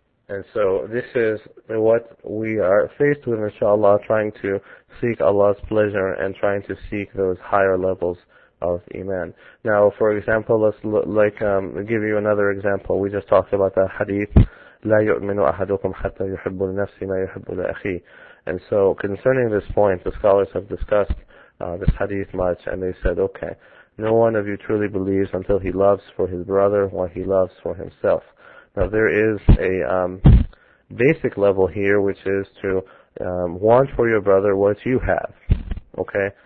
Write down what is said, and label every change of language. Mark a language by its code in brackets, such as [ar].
[en] And so this is what we are faced with, inshallah, trying to seek Allah's pleasure and trying to seek those higher levels of iman. Now, for example, let's give you another example. We just talked about the hadith, [ar] لا يؤمن أحدكم حتى يحب لنفس ما يحب لأخي. [en] And so concerning this point, the scholars have discussed this hadith much, and they said, okay, no one of you truly believes until he loves for his brother what he loves for himself. Now, there is a basic level here, which is to want for your brother what you have, okay?